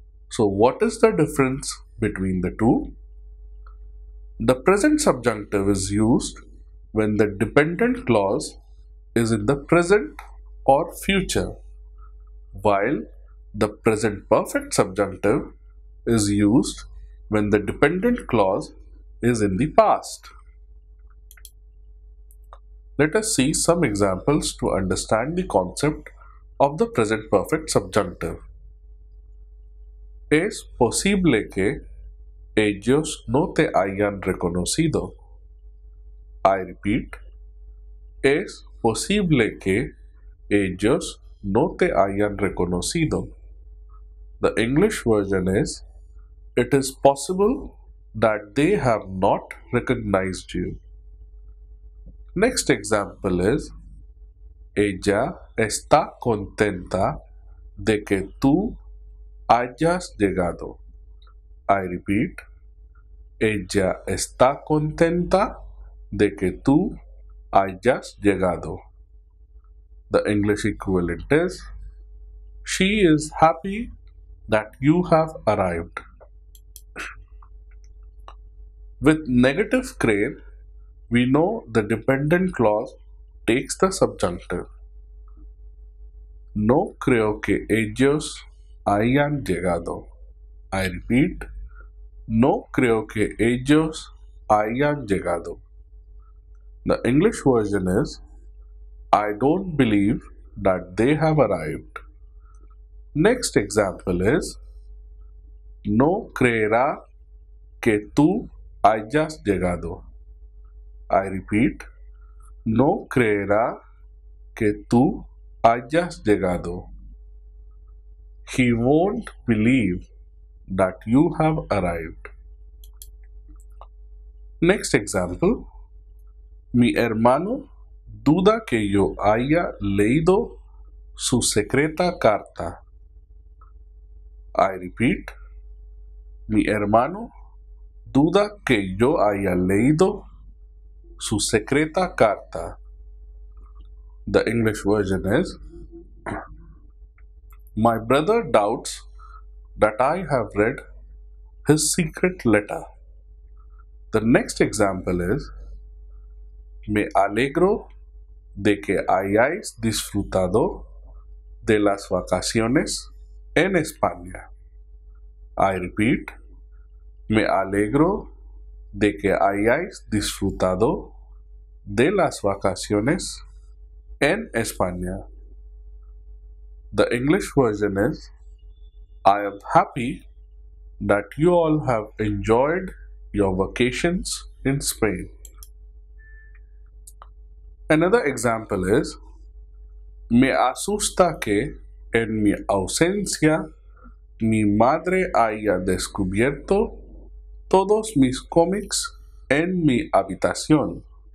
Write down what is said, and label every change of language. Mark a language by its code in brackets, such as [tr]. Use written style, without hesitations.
[en] So, what is the difference between the two? The present subjunctive is used when the dependent clause is in the present or future, while the present perfect subjunctive is used when the dependent clause is in the past. Let us see some examples to understand the concept of the present perfect subjunctive. [es] Es posible que ellos no te hayan reconocido. [en] I repeat. [es] Es posible que ellos no te hayan reconocido. [en] The English version is, it is possible that they have not recognized you. Next example is, [es] ella está contenta de que tú hayas llegado. [en] I repeat, [es] ella está contenta de que tú hayas llegado. [en] The English equivalent is, she is happy that you have arrived. With negative crane, we know the dependent clause takes the subjunctive. [es] No creo que ellos hayan llegado. [en] I repeat. [es] No creo que ellos hayan llegado. [en] The English version is, I don't believe that they have arrived. Next example is, [es] no creerá que tú hayas llegado. [en] I repeat, [es] no creerá que tú hayas llegado. [en] He won't believe that you have arrived. Next example. [es] Mi hermano duda que yo haya leído su secreta carta. [en] I repeat. [es] Mi hermano duda que yo haya leído su secreta carta. [en] The English version is, my brother doubts that I have read his secret letter. The next example is, [es] me alegro de que hayáis disfrutado de las vacaciones en España. [en] I repeat, [es] me alegro de que hayáis disfrutado de las vacaciones en España. [en] The English version is, I am happy that you all have enjoyed your vacations in Spain. Another example is, [es] me asusta que en mi ausencia mi madre haya descubierto todos mis cómics en mi habitación.